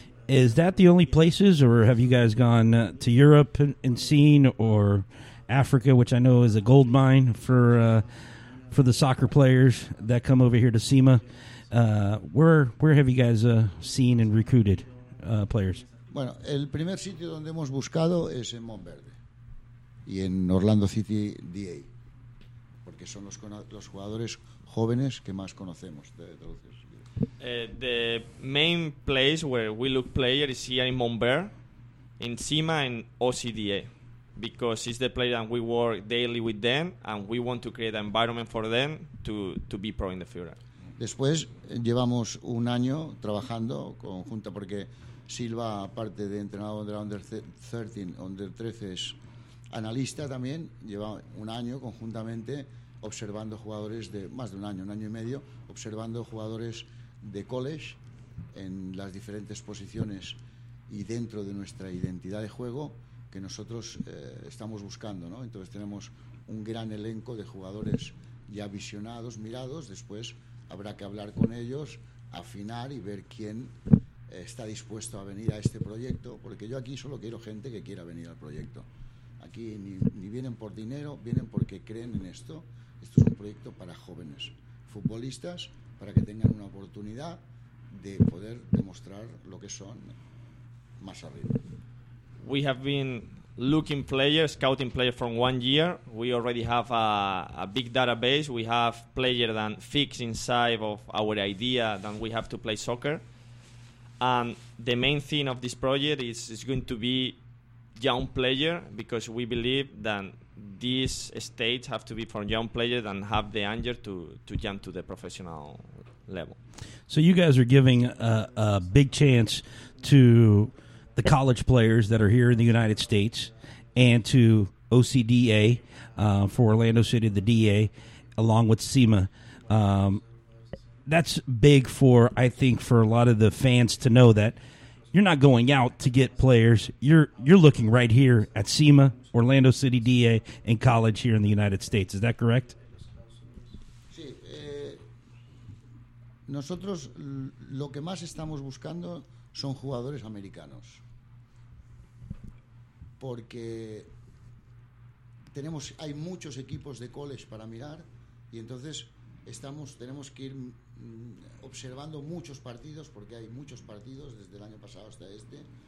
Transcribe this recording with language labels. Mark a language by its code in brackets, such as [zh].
[en] Is that the only places, or have you guys gone to Europe and seen, or Africa, which I know is a gold mine for the soccer players that come over here to SEMA. Where have you guys seen and recruited players? [es] Bueno, el primer sitio donde hemos buscado es en Monverde y en Orlando City DA, porque son los jugadores jóvenes que más conocemos. [en] The main place where we look players is here in Monverde, in SEMA and OCDA. Because it's the player and we work daily with them, and we want to create an environment for them to be pro in the future. [es] Después llevamos un año trabajando conjunta, porque Silva, aparte de entrenador de la Under 13, es analista también. Lleva un año conjuntamente observando jugadores de más de un año y medio, observando jugadores de college en las diferentes posiciones y dentro de nuestra identidad de juego que nosotros estamos buscando, ¿no? Entonces tenemos un gran elenco de jugadores ya visionados, mirados. Después habrá que hablar con ellos, afinar y ver quién está dispuesto a venir a este proyecto, porque yo aquí solo quiero gente que quiera venir al proyecto. Aquí ni vienen por dinero, vienen porque creen en esto. Esto es un proyecto para jóvenes futbolistas, para que tengan una oportunidad de poder demostrar lo que son más arriba. [en] We have been looking players, scouting players from 1 year. We already have a big database. We have players that fix inside of our idea that we have to play soccer. And the main thing of this project is going to be young player, because we believe that this stage have to be for young players and have the anger to jump to the professional level. So you guys are giving a big chance to the college players that are here in the United States and to OCDA for Orlando City, the DA, along with SEMA. That's big for, I think, for a lot of the fans to know that you're not going out to get players. You're looking right here at SEMA, Orlando City DA, and college here in the United States. Is that correct? [es] Sí. Nosotros lo que más estamos buscando son jugadores americanos. Porque tenemos, hay muchos equipos de college para mirar y entonces estamos, tenemos que ir observando muchos partidos, porque hay muchos partidos desde el año pasado hasta este,